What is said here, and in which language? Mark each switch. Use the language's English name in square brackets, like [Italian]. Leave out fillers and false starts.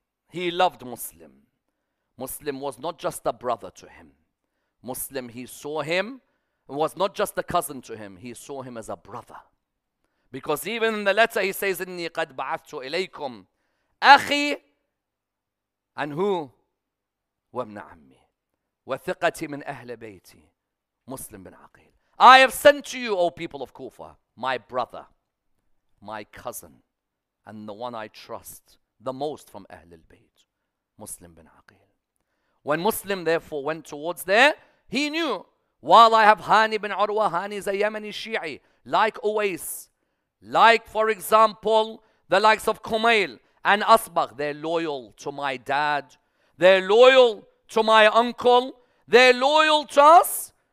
[English] He loved Muslim. Muslim was not just a brother to him. Muslim, he saw him, was not just a cousin to him. He saw him as a brother. Because even in the letter he says, [Arabic] إِنِّي قَدْ بَعَثْتُ إِلَيْكُمْ أَخِي [English] and who? [Arabic] وَمْنَ عَمِّي وَثِقَتِي مِنْ أَهْلِ بَيْتِي Muslim bin Aqil. [English] I have sent to you, O people of Kufa, my brother, my cousin, and the one I trust the most from Ahl al-Bayt, Muslim bin Aqil. When Muslim therefore went towards there, he knew, while I have Hani bin Urwa, Hani is a Yemeni Shi'i, like Uwais, like for example, the likes of Kumail and Asbagh, they're loyal to my dad, they're loyal to my uncle, they're loyal to us.